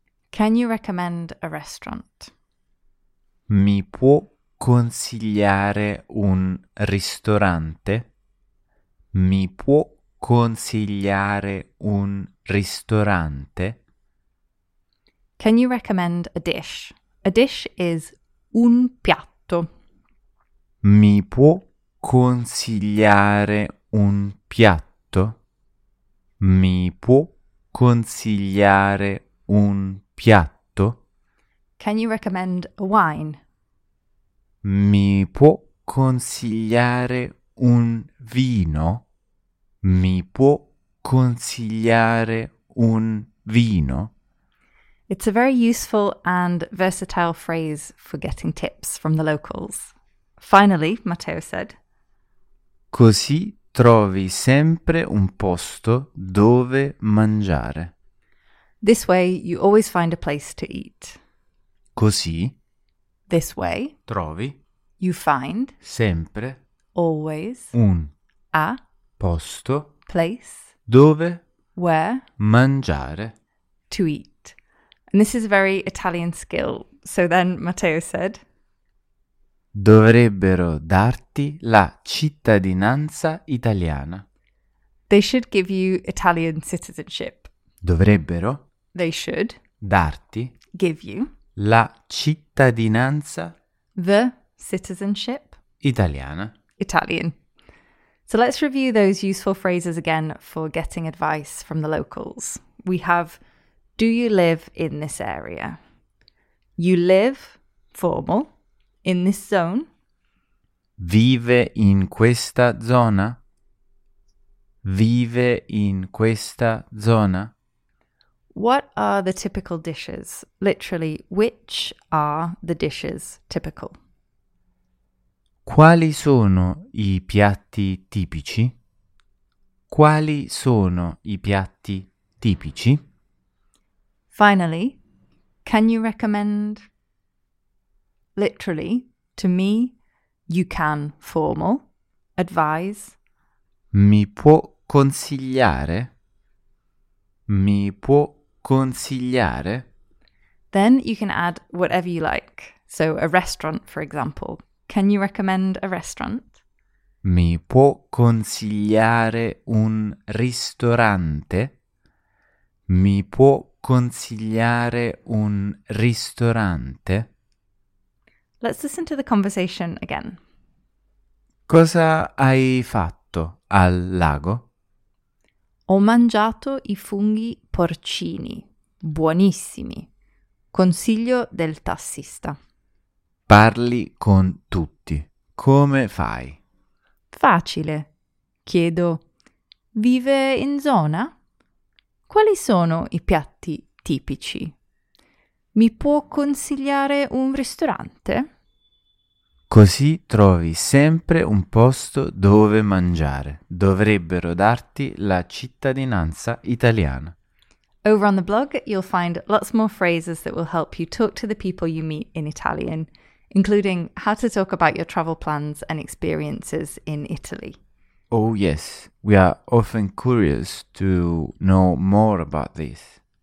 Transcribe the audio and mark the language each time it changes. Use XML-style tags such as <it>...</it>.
<en>Can you recommend a restaurant?</en> <it>Mi può consigliare un ristorante? Mi può consigliare un ristorante?</it> <en>Can you recommend a dish? A dish is un piatto.</en> <it>Mi può consigliare un piatto? Mi può consigliare un piatto?</it> <en>Can you recommend a wine?</en> <it>Mi può consigliare un vino? Mi può consigliare un vino?</it> <en>It's a very useful and versatile phrase for getting tips from the locals. Finally, Matteo said,</en> <it>Così trovi sempre un posto dove mangiare.</it> <en>This way you always find a place to eat.</en> <it>Così.</it> <en>This way.</en> <it>Trovi.</it> <en>You find.</en> <it>Sempre.</it> <en>Always.</en> <it>Un.</it> <en>A.</en> <it>Posto.</it> <en>Place.</en> <it>Dove.</it> <en>Where.</en> <it>Mangiare.</it> <en>To eat. And this is a very Italian skill. So then Matteo said,</en> <it>Dovrebbero darti la cittadinanza italiana.</it> <en>They should give you Italian citizenship.</en> <it>Dovrebbero.</it> <en>They should.</en> <it>Darti.</it> <en>Give you.</en> <it>La cittadinanza.</it> <en>The citizenship.</en> <it>Italiana.</it> <en>Italian. So let's review those useful phrases again for getting advice from the locals. We have, Do you live in this area? You live, formal, in this zone.</en> <it>Vive in questa zona? Vive in questa zona?</it> <en>What are the typical dishes? Literally, which are the dishes typical?</en> <it>Quali sono i piatti tipici? Quali sono i piatti tipici?</it> <en>Finally, can you recommend? Literally, to me, you can formal, advise.</en> <it>Mi può consigliare? Mi può consigliare?</it> <en>Then you can add whatever you like. So a restaurant, for example. Can you recommend a restaurant?</en> <it>Mi può consigliare un ristorante? Mi può consigliare un ristorante?</it> <en>Let's listen to the conversation again.</en> <it>Cosa hai fatto al lago? Ho mangiato i funghi porcini, buonissimi. Consiglio del tassista. Parli con tutti. Come fai? Facile. Chiedo, vive in zona? Quali sono i piatti tipici? Mi può consigliare un ristorante? Così trovi sempre un posto dove mangiare. Dovrebbero darti la cittadinanza italiana.</it> <en>Over on the blog, you'll find lots more phrases that will help you talk to the people you meet in Italian, including how to talk about your travel plans and experiences in Italy. Oh yes, we are often curious to know more about this.</en>